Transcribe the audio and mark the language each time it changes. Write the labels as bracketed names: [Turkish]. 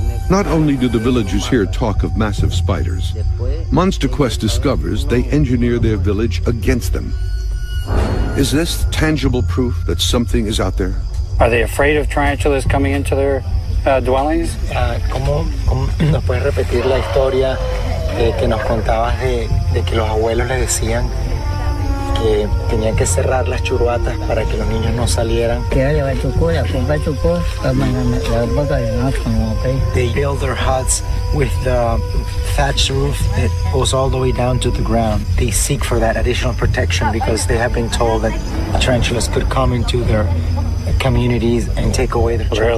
[English] Not only do the villagers hear talk of massive spiders, Monster Quest discovers they engineer their village against them. Is this tangible proof that something is out there? Are they afraid of tarantulas coming into their dwellings? [Spanish] ¿Cómo puedes repetir la historia que nos contabas de que los abuelos le decían que tenían que cerrar las churuatas para que los niños no salieran? [English] They build their huts with the thatched roof that goes all the way down to the ground. They seek for that additional protection because they have been told that tarantulas could come into their communities and take away their children.